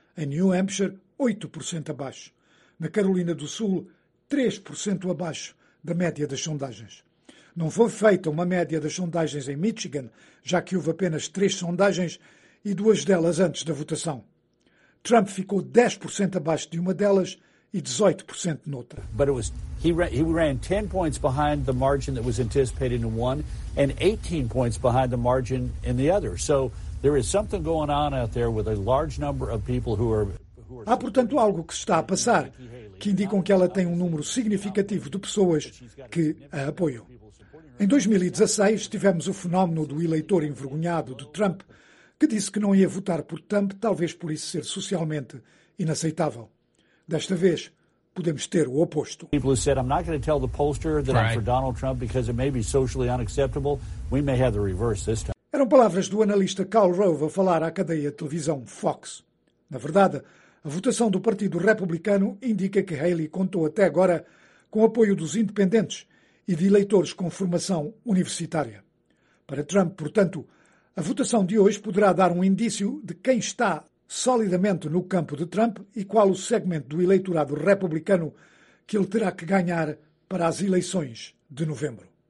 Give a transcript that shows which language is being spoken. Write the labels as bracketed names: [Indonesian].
[Portuguese] Em New Hampshire, 8% abaixo. Na Carolina do Sul, 3% abaixo da média das sondagens. Não foi feita uma média das sondagens em Michigan, já que houve apenas 3 sondagens e 2 delas antes da votação. Trump ficou 10% abaixo de uma delas e 18% noutra. [English] But it was he ran 10 points behind the margin that was anticipated in one and 18 points behind the margin in the other. So there is something going on out there with a large number of people who are [Portuguese] Há, portanto, algo que está a passar que indicam que ela tem um número significativo de pessoas que a apoiam. Em 2016, tivemos o fenómeno do eleitor envergonhado de Trump, que disse que não ia votar por Trump, talvez por isso ser socialmente inaceitável. Desta vez, podemos ter o oposto. [English] People said I'm not going to tell the pollster that I'm for Donald Trump because it may be socially unacceptable. We may have the reverse this time. [Portuguese] Eram palavras do analista Karl Rove a falar à cadeia de televisão Fox. Na verdade, a votação do Partido Republicano indica que Haley contou até agora com o apoio dos independentes e de eleitores com formação universitária. Para Trump, portanto, a votação de hoje poderá dar um indício de quem está solidamente no campo de Trump e qual o segmento do eleitorado republicano que ele terá que ganhar para as eleições de novembro.